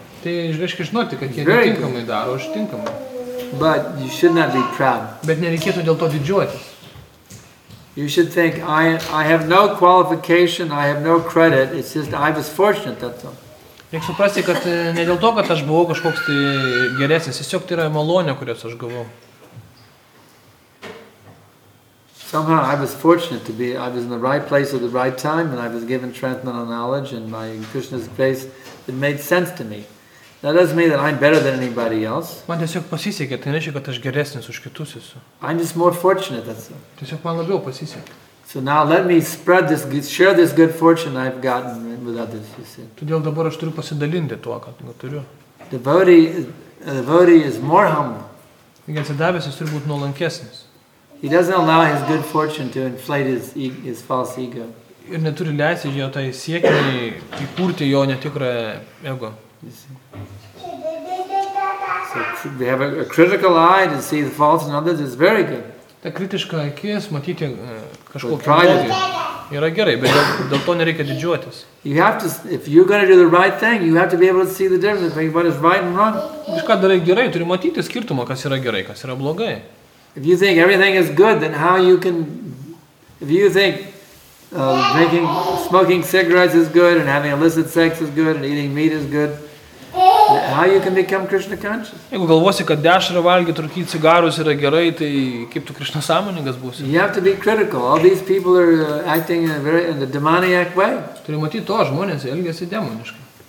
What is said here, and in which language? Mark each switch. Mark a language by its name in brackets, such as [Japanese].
[Lithuanian] Tai reiškia žinoti, kad jie netinkamai daro, aš tinkamai. [English] But you should not be proud. [Lithuanian] Bet nereikėtų dėl to didžiuotis. [English] You should think, I have no qualification, I have no credit, it's just I was fortunate, that's all. [Lithuanian] Reikia suprasti, kad ne dėl to, kad aš buvau kažkoks tai geresnis, tiesiog tai yra malonė, kurios aš gavau. [English] Somehow I was fortunate to be, I was in the right place at the right time, and I was given transcendental knowledge, and my Krishna's grace, it made sense to me. That doesn't mean that I'm better than anybody else. [Lithuanian] Man tiesiog pasisekė, tai nereiškia, kad aš geresnis už kitus esu. [English] I'm just more fortunate, that's all. [Lithuanian] Tiesiog man labiau pasisekė. [English] So now let me spread this, share this good fortune I've gotten with others, you see. [Lithuanian] Todėl dabar aš turiu pasidalinti tuo, kad turiu. [English] Devotee is more humble. [Lithuanian] Taigi atsidavęs jis turi būti nuolankesnis. [English] He doesn't allow his good fortune to inflate his false ego. [Lithuanian] Ir neturi leisti jo tai siekiai įkurti jo netikrą ego. [English] So we have a critical eye to see the faults in others is very good. [Lithuanian] Ta kritiška akis matyti kažkokį blogį yra gerai, bet dėl to nereikia didžiuotis. [English] You have to, if you're going to do the right thing, you have to be able to see the difference between what is right and wrong. [Lithuanian] Kažką darai gerai, turi matyti skirtumą, kas yra gerai, kas yra blogai. [English] If you think everything is good, then how you can, if you think drinking, smoking cigarettes is good, and having illicit sex is good, and eating meat is good, how you can become Krishna conscious? [Lithuanian] Jeigu galvosi, kad dešrą valgyti, rūkyti cigarus yra gerai, tai kaip tu Krishna sąmoningas būsi? [English] You have to be critical. All these people are acting in a very in the demoniac way. [Lithuanian] Turi matyti to, žmonės elgiasi demoniškai.